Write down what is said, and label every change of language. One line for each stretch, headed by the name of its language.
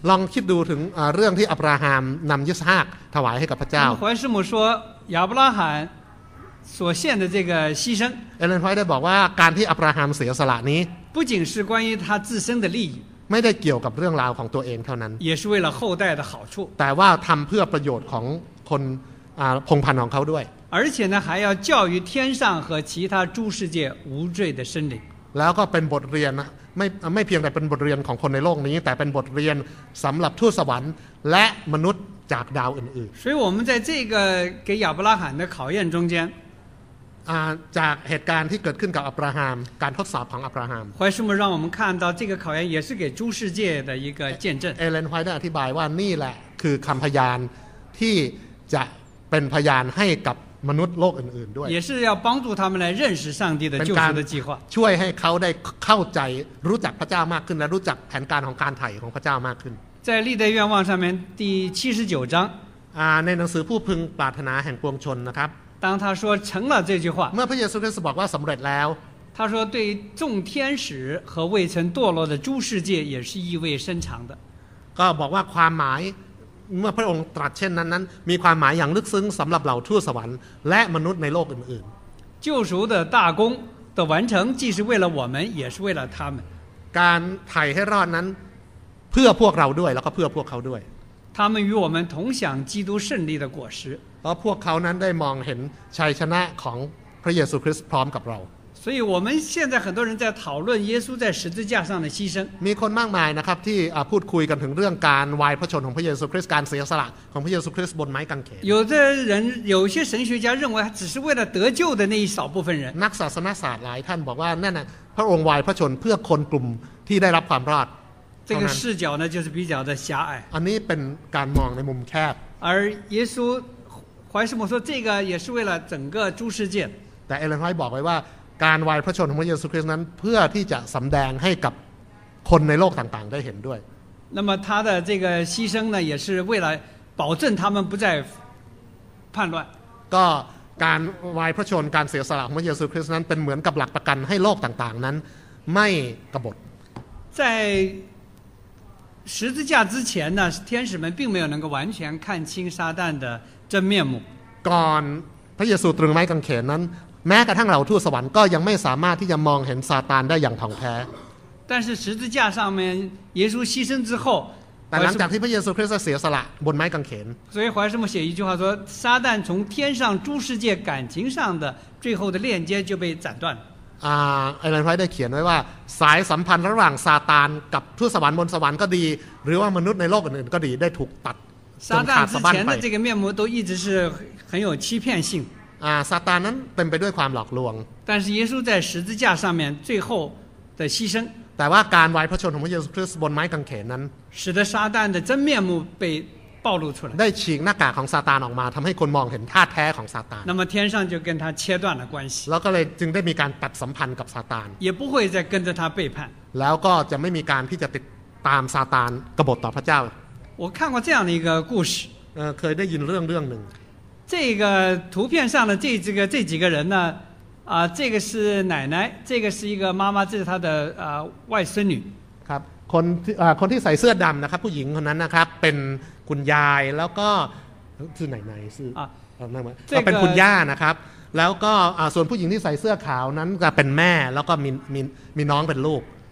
Thai: ลองคิดดูถึงเรื่องที่อับราฮัมนำยิสฮากถวายให้กับพระเจ้า
Chinese: ฮวนซูมู说亚伯拉罕所献的这个牺牲
Thai: เอเลนไวท์ได้บอกว่าการที่อับราฮัมเสียสละนี้
Chinese: 不仅是关于他自身的利益
Thai: ไม่ได้เกี่ยวกับเรื่องราวของตัวเองเท่านั้น
Chinese: 也是为了后代的好处
Thai: แต่ว่าทำเพื่อประโยชน์ของคนพงพันธุ์ของเขาด้วย
Chinese: 而且呢还要教育天上和其他诸世界无罪的生灵
Thai: แล้วก็เป็นบทเรียนไม่เพียงแต่เป็นบทเรียนของคนในโลกนี้แต่เป็นบทเรียนสำหรับทูตสวรรค์และมนุษย์จากดาวอื่นๆ
Chinese: 所以我们在这个给亚伯拉罕的考验中间
Thai: จากเหตุการณ์ที่เกิดขึ้นกับอับราฮัมการทดสอบของอับราฮัม
Chinese: 怀师母让我们看到这个考验也是给诸世界的一个见证
Thai: เอเลน怀德อธิบายว่านี่แหละคือคำพยานที่จะเป็นพยานให้กับมนุษย์โลกอื่นๆด้วย
Chinese: 也是要帮助他们来认识上帝的救赎的计划
Thai: ช่วยให้เขาได้เข้าใจรู้จักพระเจ้ามากขึ้นและรู้จักแผนการของการไถ่ของพระเจ้ามากขึ้น
Chinese: 在历代愿望上面第79章
Thai: ในหนังสือผู้พึงปรารถนาแห่งปวงชนนะครับ
Chinese: 当他说成了这句话
Thai: เมื่อพระเยซูคริสต์บอกว่าสำเร็จแล้ว
Chinese: 他说对众天使和未曾堕落的诸世界也是意味深长的
Thai: ก็บอกว่าความหมายเมื่อพระองค์ตรัสเช่นนั้นมีความหมายอย่างลึกซึ้งสำหรับเหล่าทูตสวรรค์และมนุษย์ในโลกอื่น
Chinese: ๆ救赎的大功的完成既是为了我们也是为了他们
Thai: การไถ่ให้รอดนั้นเพื่อพวกเราด้วยแล้วก็เพื่อพวกเขาด้วย
Chinese: 他们与我们同享基督胜利的果实
Thai: เพราะพวกเขานั้นได้มองเห็นชัยชนะของพระเยซูคริสต์พร้อมกับเรา
Chinese: 所以我们现在很多人在讨论耶稣在十字架上的牺牲
Thai: มีคนมากมายนะครับที่พูดคุยกันถึงเรื่องการวายพระชนของพระเยซูคริสต์การเสียสละของพระเยซูคริสต์บนไม้กางเขน
Chinese: 有的人有些神学家认为只是为了得救的那一少部分人
Thai: นักศาสนศาสตร์หลายท่านบอกว่านั่นน่ะพระองค์วายพระชนเพื่อคนกลุ่มที่ได้รับความรอด
Chinese: 这个视角呢就是比较的狭隘
Thai: อันนี้เป็นการมองในมุมแคบ
Chinese: 而耶稣怀师母说这个也是为了整个诸世界
Thai: แต่เอเลนไวท์บอกไว้ว่าการวายพระชนของพระเยซูคริสต์นั้นเพื่อที่จะสำแดงให้กับคนในโลกต่างๆได้เห็นด้วย
Chinese: 那么他的这个牺牲呢也是为了保证他们不再叛乱
Thai: ก็การวายพระชนการเสียสละของพระเยซูคริสต์นั้นเป็นเหมือนกับหลักประกันให้โลกต่างๆนั้นไม่กบฏ
Chinese: 在十字架之前呢天使们并没有能够完全看清撒旦的真面目
Thai: ก่อนพระเยซูตรึงไม้กางเขนนั้นแม้กระทั่งเหล่าทูตสวรรค์ก็ยังไม่สามารถที่จะมองเห็นซาตานได้อย่างท่องแท้
Chinese: 但是十字架上面耶稣牺牲之后
Thai: แต่หลังจากที่พระเยซูคริสต์เสียสละบนไม้กางเขน
Chinese: 所以怀师母写一句话说撒旦从天上诸世界感情上的最后的链接就被斩断
Thai: ไอรอนไฟได้เขียนไว้ว่าสายสัมพันธ์ระหว่างซาตานกับทูตสวรรค์บนสวรรค์ก็ดีหรือว่ามนุษย์ในโลกอื่นๆก็ดีได้ถูกตัด
Chinese: ซาตานที่前的这个面目都一直是很有欺骗性
Thai: ซาตานนั้นเต็มไปด้วยความหลอกลวง
Chinese: 但是耶稣在十字架上面最后的牺牲
Thai: แต่ว่าการวายพระชนของพระเยซูคริสต์บนไม้กางเขนนั้น
Chinese: 使得撒旦的真面目被暴露出来
Thai: ได้ฉีกหน้ากากของซาตานออกมาทำให้คนมองเห็นท่าแท้ของซาตาน
Chinese: 那么天上就跟他切断了关系
Thai: แล้วก็เลยจึงได้มีการตัดสัมพันธ์กับซาตาน
Chinese: 也不会再跟着他背叛
Thai: แล้วก็จะไม่มีการที่จะติดตามซาตานกบฏต่อพระเจ้า
Chinese: 我看过这样的一个故事
Thai: เคยได้ยินเรื่องหนึ่ง
Chinese: 这个图片上的这几个人呢这个是奶奶这个是一个妈妈这是她的外孙女
Thai: ครับคนที่ใส่เสื้อดำนะครับผู้หญิงคนนั้นนะครับเป็นคุณยายแล้วก็คือไหนๆซื้ อนั่งมาก็เป็นคุณย่านะครับแล้วก็ส่วนผู้หญิงที่ใส่เสื้อขาวนั้นก็เป็นแม่แล้วก็มีน้องเป็นลูก